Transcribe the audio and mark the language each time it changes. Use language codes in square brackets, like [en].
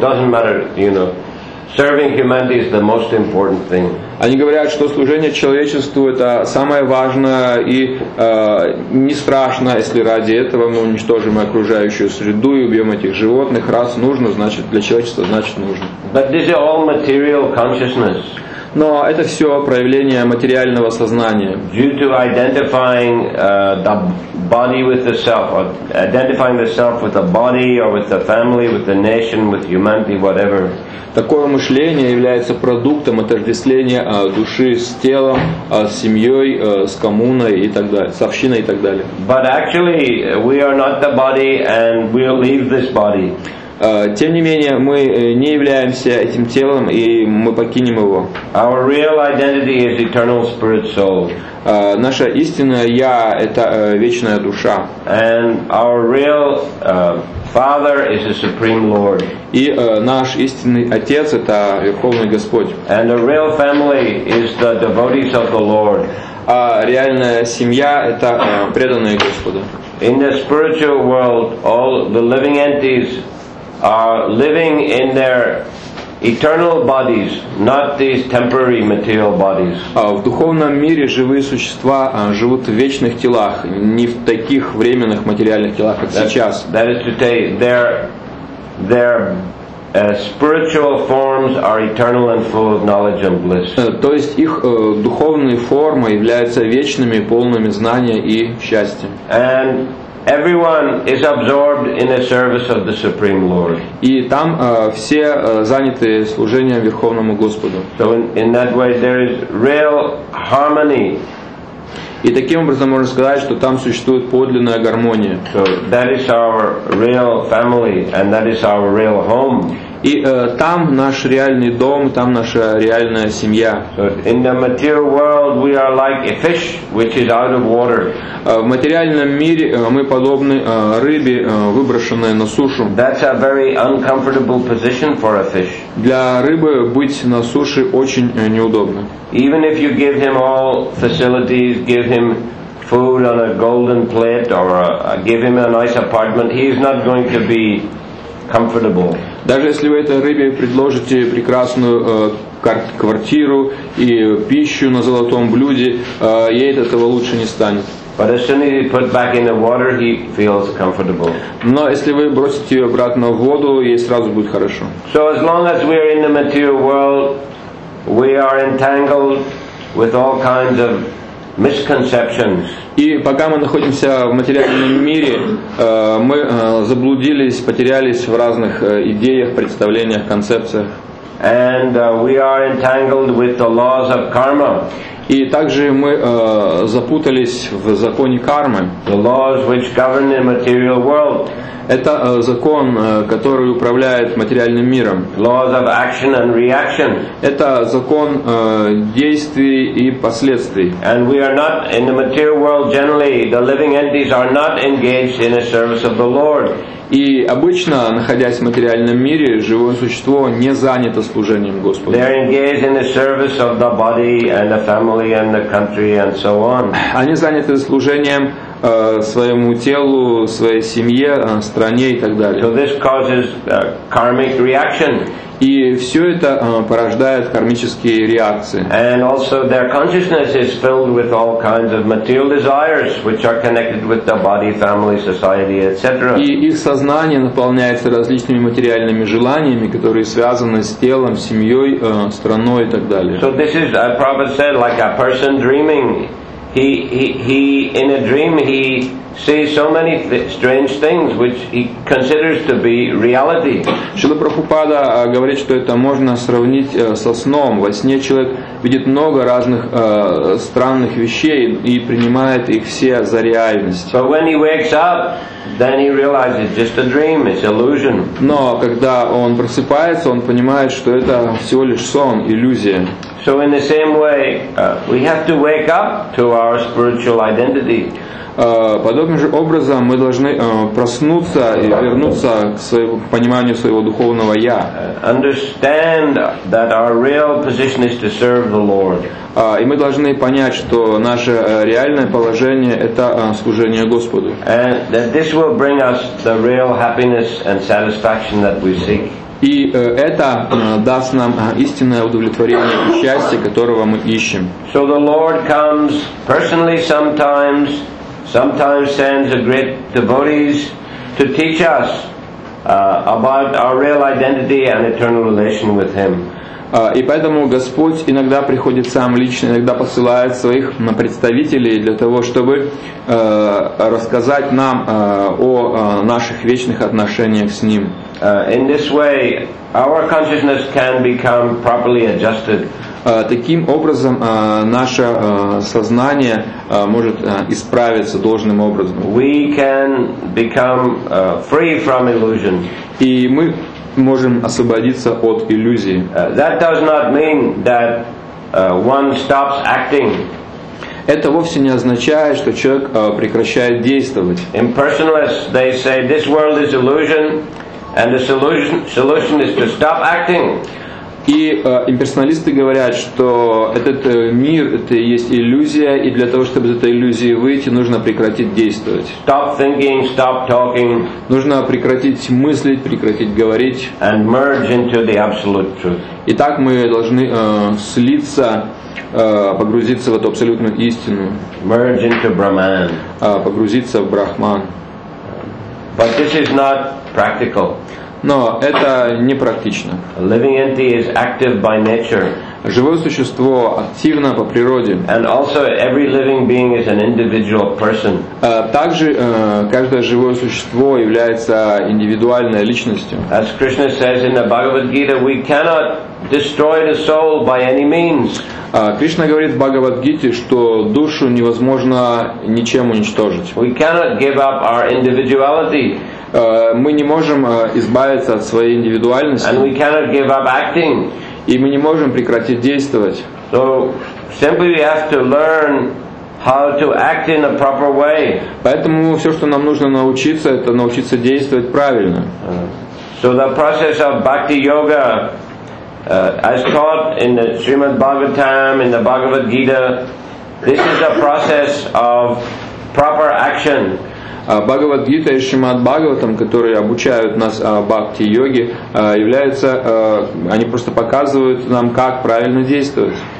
[en] Doesn't matter, you know. Serving humanity is the most important thing. [ru] Они говорят, что служение человечеству это самое важное и не страшно, если ради этого мы уничтожим окружающую среду и убьем этих животных. Раз нужно, значит для человечества значит нужно. [en] But this is all material consciousness. [ru] Но это все проявление материального сознания. [en] Due to identifying the body with the self, or identifying the self with the body or with the family, with the nation, with humanity, whatever. [ru] Такое мышление является продуктом отождествления души с телом, с семьей, с коммуной и так далее, с общиной и так далее. [en] But actually, we are not the body, and we'll leave this body. [ru] Тем не менее, мы не являемся этим телом, и мы покинем его. [en] Our real identity is eternal spirit soul. [ru] Наша истинная я — это вечная душа. [en] And our real Father is the supreme Lord. [ru] И наш истинный отец это верховный Господь. [en] And the real family is the devotees of the Lord. [ru] А реальная семья это преданные Господу. [en] In the spiritual world, all the living entities are living in their eternal bodies, not these temporary material bodies. [ru] В духовном мире живые существа живут в вечных телах, не в таких временных материальных телах, как сейчас. [en] That is to say, their spiritual forms are eternal and full of knowledge and bliss. [ru] То есть их духовные формы являются вечными, полными знания и счастья. [en] And everyone is absorbed in the service of the Supreme Lord. [ru] И там все заняты служением Верховному Господу. [en] So in that way there is real harmony. [ru] И таким образом можно сказать, что там существует подлинная гармония. [en] So that is our real family and that is our real home. [ru] И там наш реальный дом, там наша реальная семья. [en] In the material world we are like a fish which is out of water. [ru] В материальном мире мы подобны рыбе, выброшенной на сушу. [en] That's a very uncomfortable position for a fish. [ru] Для рыбы быть на суше очень неудобно. [en] Even if you give him all facilities, give him food on a golden plate or give him a nice apartment, he is not going to be comfortable. [ru] Даже если вы этой рыбе предложите прекрасную квартиру и пищу на золотом блюде, ей от этого лучше не станет. [en] But as soon as he put back in the water, he feels comfortable. [ru] Но если вы бросите ее обратно в воду, ей сразу будет хорошо. [en] So as long as we are in the material world, we are entangled with all kinds of misconceptions. [ru] И пока мы находимся в материальном мире, мы заблудились, потерялись в разных идеях, представлениях, концепциях. [en] And we are entangled with the laws of karma. [ru] И также мы запутались в законе кармы. [en] The laws which govern the material world. [ru] Это закон, который управляет материальным миром. [en] Laws of action and reaction. [ru] Это закон действий и последствий. [en] And we are not in the material world generally. The living entities are not engaged in the service of the Lord. [ru] И обычно, находясь в материальном мире, живое существо не занято служением Господу. [en] They are engaged in the service of the body and the family and the country and so on. [ru] Они заняты служением своему телу, своей семье, стране и так далее. [en] So this causes karmic reaction. [ru] И все это порождает кармические реакции. [en] And also their consciousness is filled with all kinds of material desires, which are connected with the body, family, society, etc. [ru] И их сознание наполняется различными материальными желаниями, которые связаны с телом, семьей, страной и так далее. [en] So this is, as Prabhupada said, like a person dreaming. He in a dream he sees so many strange things which he considers to be reality. [ru] Шрила Прабхупада говорит, что это можно сравнить со сном. Во сне человек видит много разных странных вещей и принимает их все за реальность. [en] But when he wakes up, then he realizes it's just a dream, it's illusion. [ru] Но когда он просыпается, он понимает, что это всего лишь сон, иллюзия. [en] So in the same way, we have to wake up to our spiritual identity. [ru] Подобным же образом мы должны проснуться и вернуться к пониманию своего духовного я. [en] Understand that our real position is to serve the Lord. [ru] И мы должны понять, что наше реальное положение — это служение Господу. [en] And that this will bring us the real happiness and satisfaction that we seek. [ru] И это даст нам истинное удовлетворение и счастье, которого мы ищем. [en] So the Lord comes personally sometimes, sometimes sends a great devotees to teach us about our real identity and eternal relation with Him. [ru] И поэтому Господь иногда приходит сам лично, иногда посылает своих представителей для того, чтобы рассказать нам о наших вечных отношениях с Ним. [en] In this way, our consciousness can become properly adjusted. [ru] Таким образом, наше сознание может исправиться должным образом. [en] We can become free from illusion. [ru] И мы можем освободиться от иллюзии. [en] That does not mean that one stops acting. [ru] Это вовсе не означает, что человек прекращает действовать. [en] Impersonalists, they say this world is illusion. And the solution is to stop acting. [ru] И имперсоналисты говорят, что этот мир это и есть иллюзия, и для того, чтобы из этой иллюзии выйти, нужно прекратить действовать. [en] Stop thinking, stop talking. [ru] Нужно прекратить мыслить, прекратить говорить. [en] And merge into the absolute truth. [ru] И так мы должны слиться, погрузиться в эту абсолютную истину. [en] Merge into Brahman. [ru] Погрузиться в Брахман. [en] But this is not practical. [ru] Но это не практично. [en] A living entity is active by nature. [ru] Живое существо активно по природе. [en] And also every living being is an individual person. [ru] Также каждое живое существо является индивидуальной личностью. [en] As Krishna says in the Bhagavad Gita, we cannot destroy the soul by any means. [ru] Кришна говорит в Бхагавад-гите, что душу невозможно ничем уничтожить. [en] We cannot give up our individuality. [ru] Мы не можем избавиться от своей индивидуальности. [en] And we cannot give up acting. [ru] И мы не можем прекратить действовать. [en] So simply we have to learn how to act in a proper way. [ru] Поэтому все, что нам нужно научиться, это научиться действовать правильно. [en] So the process of bhakti yoga, as taught in the Srimad Bhagavatam, in the Bhagavad Gita, this is a process of proper action. [ru] Бхагавад-гита и Шримад-Бхагаватам, которые обучают нас бхакти-йоге, являются, они просто показывают нам, как правильно действовать.